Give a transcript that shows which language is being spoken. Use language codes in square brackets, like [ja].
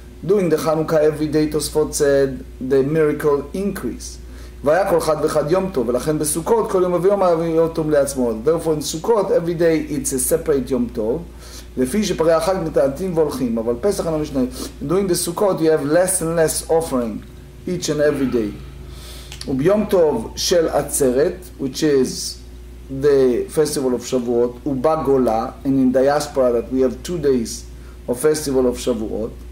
[en] Doing the Chanukah every day, Tosfot said, the miracle increase. [he] והיה כל חד וחד יום טוב, ולכן בסוכות כל יום ויום יום טוב לעצמו. [en] Therefore in סוכות, every day it's a separate יום טוב. [he] לפי שפרי החג מתעתים והולכים, אבל פסח אינו משנה. [en] Doing the סוכות, you have less and less offering each and every day. [he] וביום טוב של עצרת, [en] which is the festival of Shavuot, ובגולה, and in diaspora that we have 2 days of festival of Shavuot.